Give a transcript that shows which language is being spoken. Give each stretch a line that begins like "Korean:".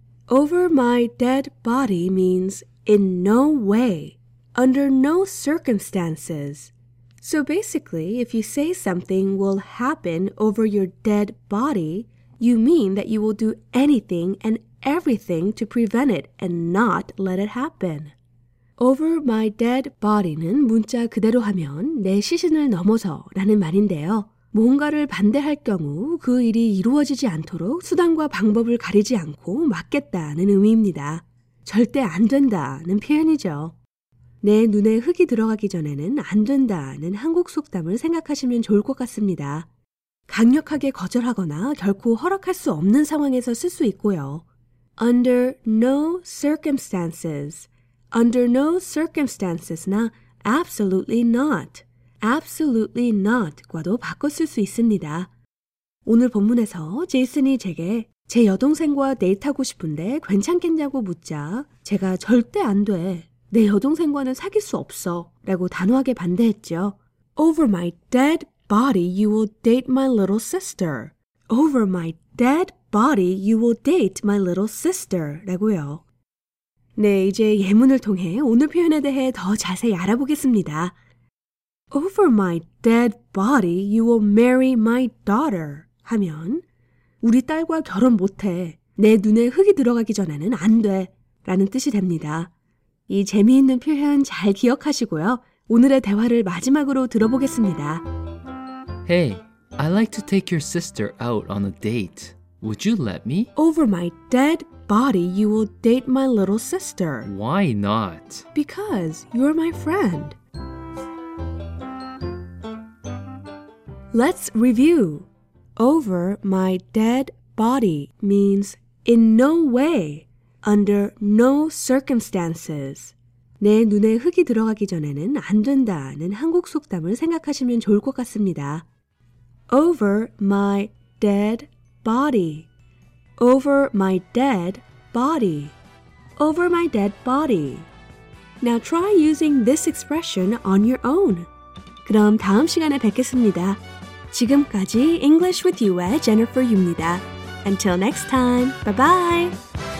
English: Over my dead body means in no way, under no circumstances. So basically, if you say something will happen over your dead body, you mean that you will do anything and everything to prevent it and not let it happen. Over my dead body
Korean: 는 문자 그대로 하면 내 시신을 넘어서 라는 말인데요. 뭔가를 반대할 경우 그 일이 이루어지지 않도록 수단과 방법을 가리지 않고 막겠다는 의미입니다. 절대 안 된다는 표현이죠. 내 눈에 흙이 들어가기 전에는 안 된다는 한국 속담을 생각하시면 좋을 것 같습니다. 강력하게 거절하거나 결코 허락할 수 없는 상황에서 쓸 수 있고요.
English: Under no circumstances. Under no circumstances나 absolutely not. Absolutely not
Korean: 과도 바꿔 쓸 수 있습니다. 오늘 본문에서 제이슨이 제게 제 여동생과 데이트하고 싶은데 괜찮겠냐고 묻자 제가 절대 안 돼. 내 여동생과는 사귈 수 없어 라고 단호하게 반대했죠.
English: Over my dead body, you will date my little sister. Over my dead body, you will date my little sister
Korean: 라고요. 네, 이제 예문을 통해 오늘 표현에 대해 더 자세히 알아보겠습니다.
English: Over my dead body, you will marry my daughter
Korean: 하면 우리 딸과 결혼 못해. 내 눈에 흙이 들어가기 전에는 안 돼 라는 뜻이 됩니다. 이 재미있는 표현 잘 기억하시고요. 오늘의 대화를 마지막으로 들어보겠습니다.
English: Hey, I'd like to take your sister out on a date. Would you let me? Over my dead body, you will date my little sister. Why not? Because you're my friend. Let's review. Over my dead body means in no way. Under no circumstances.
Korean: 내 눈에 흙이 들어가기 전에는 안 된다는 한국 속담을 생각하시면 좋을 것 같습니다.
English: Over my dead body. Over my dead body. Over my dead body. Now try using this expression on your own.
Korean: 그럼 다음 시간에 뵙겠습니다. 지금까지
English: English with You의 Jennifer Yu입니다. Until next time, bye-bye!